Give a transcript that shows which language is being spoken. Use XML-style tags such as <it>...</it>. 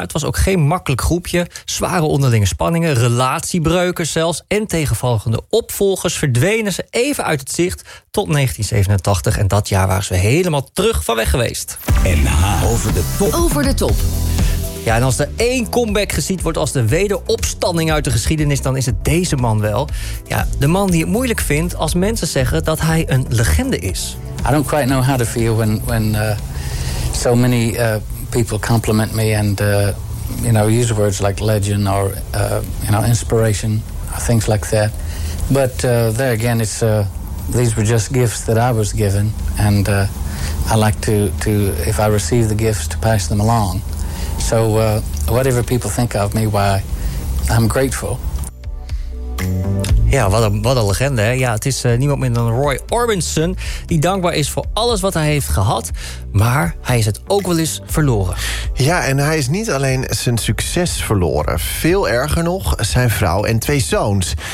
<nl>Het was ook geen makkelijk groepje. Zware onderlinge spanningen, relatiebreuken zelfs en tegenvallende opvolgers verdwenen ze even uit het zicht tot 1987. En dat jaar waren ze helemaal terug van weg geweest. NH over de top. Over de top. Ja, en als er één comeback gezien wordt als de wederopstanding uit de geschiedenis, dan is het deze man wel. Ja, de man die het moeilijk vindt als mensen zeggen dat hij een legende is.</nl> <en>I don't quite know how to feel when so many people compliment me and you know use words like legend or you know inspiration or things like that. But there again, it's these were just gifts that I was given and I like to if I receive the gifts to pass them along. So whatever people think of me, why I'm grateful.</en> <nl>Ja, wat een legende, hè? Ja, het is niemand minder dan Roy Orbison, die dankbaar is voor alles wat hij heeft gehad, maar hij is het ook wel eens verloren. Ja, en hij is niet alleen zijn succes verloren. Veel erger nog, zijn vrouw en twee zoons.</nl>